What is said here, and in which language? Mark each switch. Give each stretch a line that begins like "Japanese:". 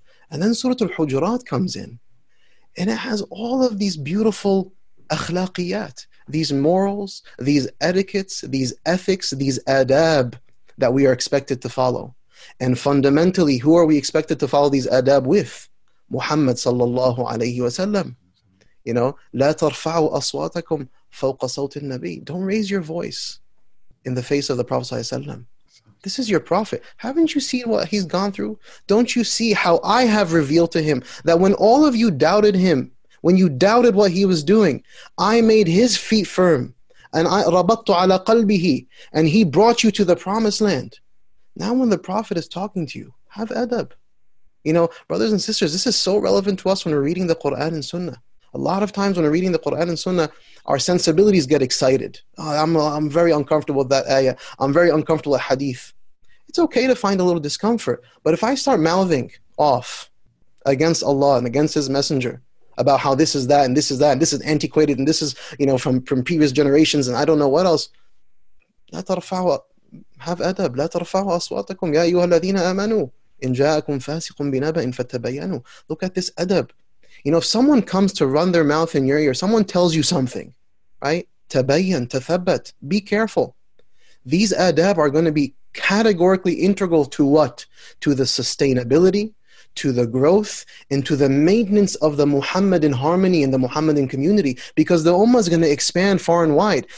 English: And then Surah Al-Hujurat comes in, and it has all of these beautiful akhlaqiyat, these morals, these etiquettes, these ethics, these adab that we are expected to follow. And fundamentally, who are we expected to follow these adab with? Muhammad sallallahu alayhi wasallam. You know,
Arabic: لا ترفعوا أصواتكم فوق صوت النبي.
English: Don't raise your voice in the face of the Prophet sallallahu alayhi wasallam. This is your prophet. Haven't you seen what he's gone through? Don't you see how I have revealed to him that when all of you doubted him, when you doubted what he was doing, I made his feet firm. And I rabattu ala qalbihi, and he brought you to the promised land. Now when the Prophet is talking to you, have adab. You know, brothers and sisters, this is so relevant to us when we're reading the Quran and Sunnah. A lot of times when we're reading the Quran and Sunnah, our sensibilities get excited. Oh, I'm very uncomfortable with that ayah. I'm very uncomfortable with hadith. It's okay to find a little discomfort. But if I start mouthing off against Allah and against his messenger about how this is that and this is that and this is antiquated and this is, you know, from previous generations and I don't know what else.
Arabic: لا ترفعوا,
English: have adab.
Arabic: لا ترفعوا أصواتكم يا أيها الذين آمنوا إن جاءكم فاسق بنبأ فتبينوا.
English: Look at this adab. You know, if someone comes to run their mouth in your ear, someone tells you something, right?
Arabic: تبين, تثبت,
English: be careful. These adab are going to be categorically integral to what? To the sustainability, to the growth, and to the maintenance of the Muhammadan harmony and the Muhammadan community, because the Ummah is going to expand far and wide.